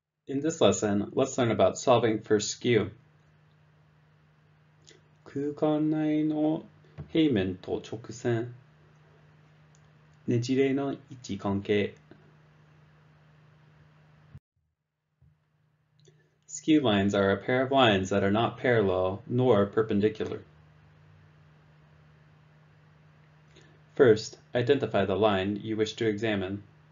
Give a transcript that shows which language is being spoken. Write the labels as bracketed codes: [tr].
[en] In this lesson, let's learn about solving for skew. [ja] 空間内の平面と直線、ねじれの位置関係。 [en] Skew lines are a pair of lines that are not parallel nor perpendicular. First, identify the line you wish to examine.